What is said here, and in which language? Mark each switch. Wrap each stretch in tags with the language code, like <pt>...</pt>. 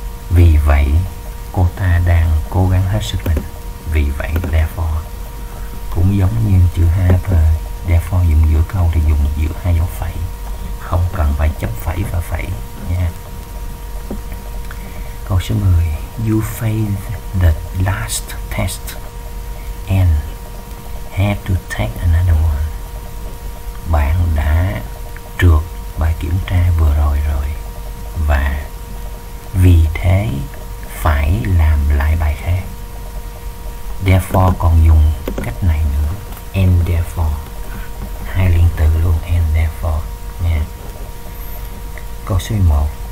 <vi>Vì vậy cô ta đang cố gắng hết sức mình. Vì vậy therefore. Cũng giống như chữ have, therefore dùng giữa câu thì dùng giữa hai dấu phẩy, không cần phải chấm phẩy và phẩy nha. Câu số 10.</vi> <en>You failed the last test and had to take another one.</en> <vi>Bạn đã trượt bài kiểm tra vừa rồi rồi, và vì thế phải làm lại bài khác. Therefore còn dùng cách này nữa, and therefore, hai liên từ luôn, and therefore nha. Câu số 1.</vi>